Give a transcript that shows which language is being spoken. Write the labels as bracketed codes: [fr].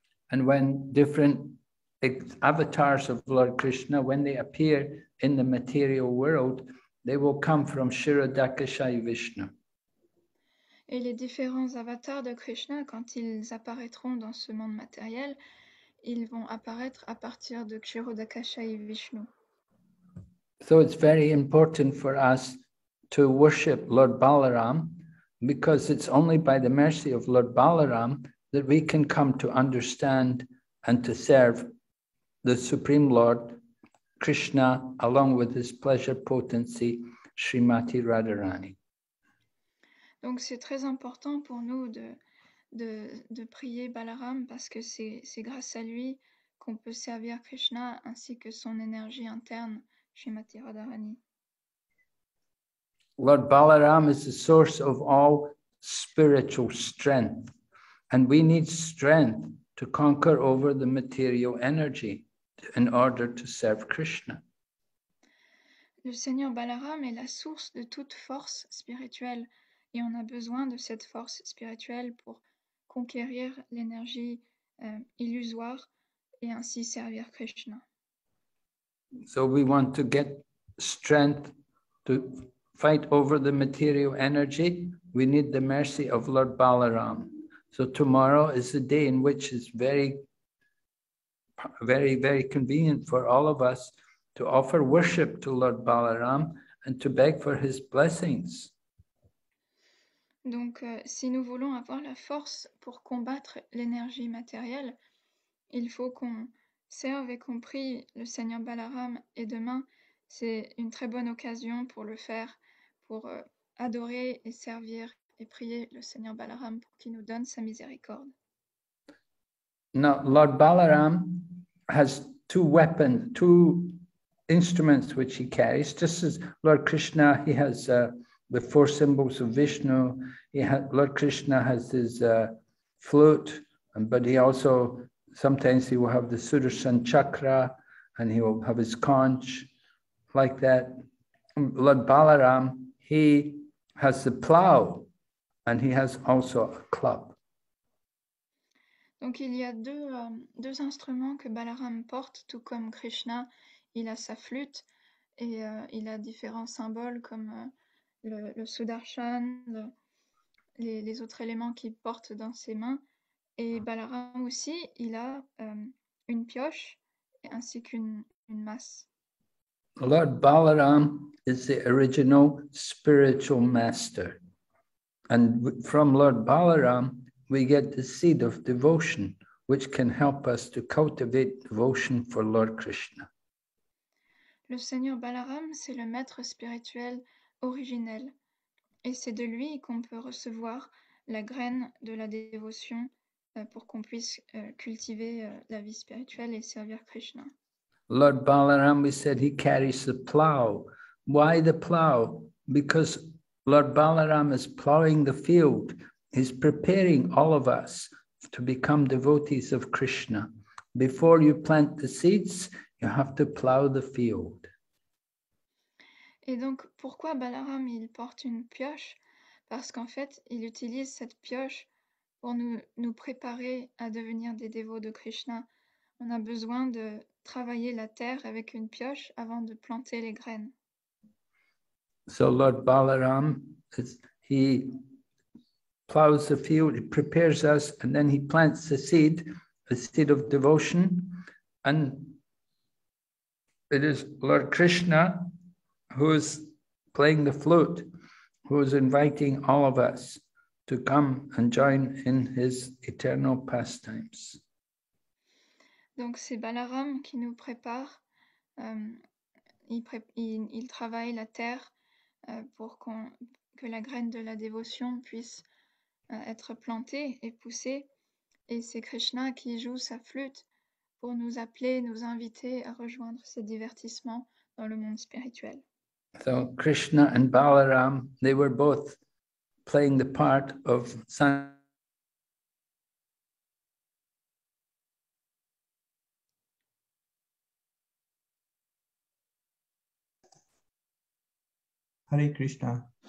[en] And when different avatars of Lord Krishna, when they appear in the material world, they will come from Shirodakashayi Vishnu. [fr] Et les différents avatars de Krishna, quand ils apparaîtront dans ce monde matériel, ils vont apparaître à partir de Kshirodakashayi Vishnu. [en] So it's very important for us to worship Lord Balaram, because it's only by the mercy of Lord Balaram that we can come to understand and to serve the Supreme Lord Krishna along with his pleasure potency, Srimati Radharani. [fr] Donc c'est très important pour nous de prier Balaram parce que c'est grâce à lui qu'on peut servir Krishna ainsi que son énergie interne, Srimati Radharani. [en] Lord Balaram is the source of all spiritual strength, and we need strength to conquer over the material energy in order to serve Krishna. [fr] Le Seigneur Balaram est la source de toute force spirituelle, et on a besoin de cette force spirituelle pour conquérir l'énergie illusoire et ainsi servir Krishna. [en] So we want to get strength to fight over the material energy, we need the mercy of Lord Balaram. So tomorrow is a day in which it's very, very, very convenient for all of us to offer worship to Lord Balaram and to beg for his blessings. [fr] Donc, si nous voulons avoir la force pour combattre l'énergie matérielle, il faut qu'on serve et qu'on prie le Seigneur Balaram. Et demain, c'est une très bonne occasion pour le faire, pour adorer et servir et prier le Seigneur Balaram pour qu'il nous donne sa miséricorde. [en] Now, Lord Balaram has two weapons, two instruments which he carries. Just as Lord Krishna, he has the four symbols of Vishnu. Lord Krishna has his flute, but he also, sometimes he will have the Sudarshan Chakra and he will have his conch like that. Lord Balaram, he has the plow and he has also a club. [fr] Donc il y a deux instruments que Balaram porte, tout comme Krishna, il a sa flûte et il a différents symboles comme le Sudarshan, les autres éléments qu'il porte dans ses mains. Et Balaram aussi, il a une pioche ainsi qu'une masse. [en] Lord Balaram is the original spiritual master. And from Lord Balaram, we get the seed of devotion, which can help us to cultivate devotion for Lord Krishna. [fr] Le Seigneur Balaram, c'est le maître spirituel originel. Et c'est de lui qu'on peut recevoir la graine de la dévotion pour qu'on puisse cultiver la vie spirituelle et servir Krishna. [en] Lord Balaram, we said he carries the plow. Why the plow? Because Lord Balaram is plowing the field. He's preparing all of us to become devotees of Krishna. Before you plant the seeds, you have to plow the field. [fr] Et donc, pourquoi Balaram, il porte une pioche? Parce qu'en fait, il utilise cette pioche pour nous préparer à devenir des dévots de Krishna. On a besoin de travailler la terre avec une pioche avant de planter les graines. [en] So Lord Balaram, he plows the field, he prepares us, and then he plants the seed of devotion. And it is Lord Krishna who is playing the flute, who is inviting all of us to come and join in his eternal pastimes. [fr] Donc c'est Balaram qui nous prépare, il travaille la terre pour que la graine de la dévotion puisse être plantée et poussée. Et c'est Krishna qui joue sa flûte pour nous appeler, nous inviter à rejoindre ces divertissements dans le monde spirituel. [en] So Krishna and Balaram, they were both playing the part of Hare Krishna.